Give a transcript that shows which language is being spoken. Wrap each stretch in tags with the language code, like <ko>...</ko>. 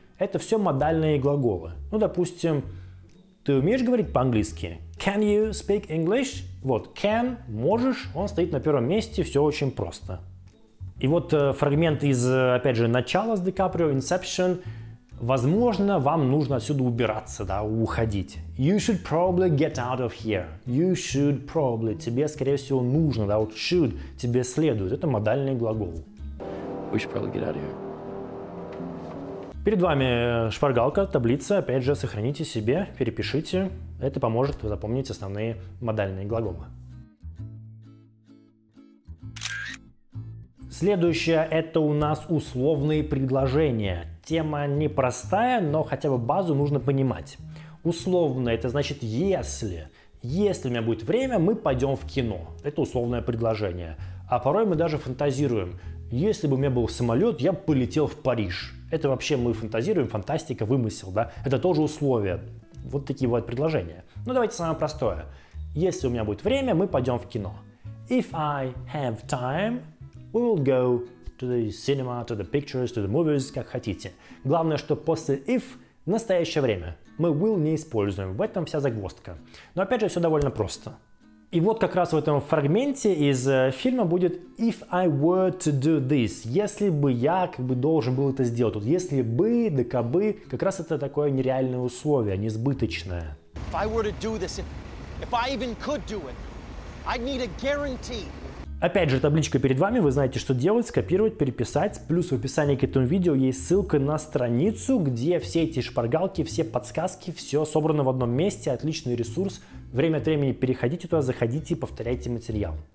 <ru>Это все модальные глаголы. Ну, допустим, ты умеешь говорить по-английски?</ru> <en>Can you speak English?</en> <ru>Вот, can, можешь, он стоит на первом месте, все очень просто. И вот фрагмент из, опять же, «Начала» с Ди Каприо, Inception. Возможно, вам нужно отсюда убираться, да, уходить.</ru> <en>You should probably get out of here. You should probably.</en> <ru>Тебе, скорее всего, нужно, да, вот should, тебе следует. Это модальный глагол.</ru> <en>We should probably get out of here.</en> <ru>Перед вами шпаргалка, таблица. Опять же, сохраните себе, перепишите. Это поможет запомнить основные модальные глаголы. Следующее – это у нас условные предложения. Тема непростая, но хотя бы базу нужно понимать. Условно – это значит «если». Если у меня будет время, мы пойдем в кино. Это условное предложение. А порой мы даже фантазируем. Если бы у меня был самолет, я бы полетел в Париж. Это вообще мы фантазируем, фантастика, вымысел, да? Это тоже условие. Вот такие вот предложения. Ну, давайте самое простое. Если у меня будет время, мы пойдем в кино.</ru> <en>If I have time, we will go to the cinema, to the pictures, to the movies,</en> <ru>как хотите. Главное, что после if – настоящее время. Мы will не используем. В этом вся загвоздка. Но опять же, все довольно просто. И вот как раз в этом фрагменте из фильма будет</ru> <en>if I were to do this.</en> <ru>Если бы я как бы должен был это сделать. Вот если бы, да кабы, как раз это такое нереальное условие, несбыточное.</ru> <en>If I were to do this, if I even could do it, I'd need a guarantee.</en> <ru>Опять же, табличка перед вами, вы знаете, что делать, скопировать, переписать. Плюс в описании к этому видео есть ссылка на страницу, где все эти шпаргалки, все подсказки, все собрано в одном месте, отличный ресурс. Время от времени переходите туда, заходите и повторяйте материал.</ru>